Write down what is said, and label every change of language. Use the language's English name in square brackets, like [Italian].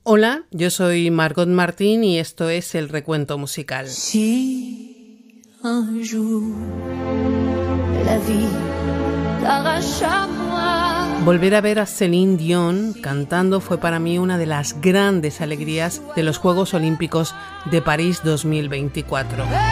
[Spanish] Hola, yo soy Margot Martín y esto es El Recuento Musical. [French] Si un jour la vie t'arrache à moi. [Spanish] Volver a ver a Céline Dion cantando fue para mí una de las grandes alegrías de los Juegos Olímpicos de París 2024.